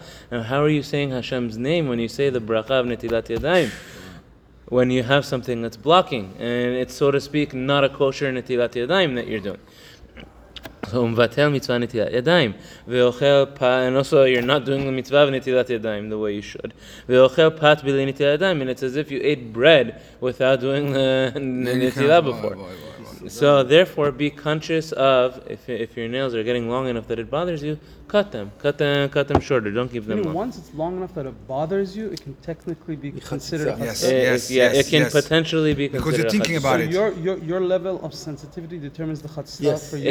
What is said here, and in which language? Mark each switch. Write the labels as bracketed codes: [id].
[en] Now, how are you saying Hashem's name when you say the bracha of netilat yadayim? When you have something that's blocking, and it's, so to speak, not a kosher netilat yadayim that you're doing. [he] הוא מבטל מצווה נטילת ידיים, ואוכל פת, [en] and also you're not doing the mitzvah [he] ונטילת ידיים [en] the way you should, [he] ואוכל פת בלי נטילת ידיים, [en] and it's as if you ate bread without doing the נטילה before. So therefore, be conscious of, if your nails are getting long enough that it bothers you, cut them shorter, don't keep them long. Once it's long enough that it bothers you, it can technically be considered potentially be considered because you're thinking about it. So your level of sensitivity determines the chatzitza for you?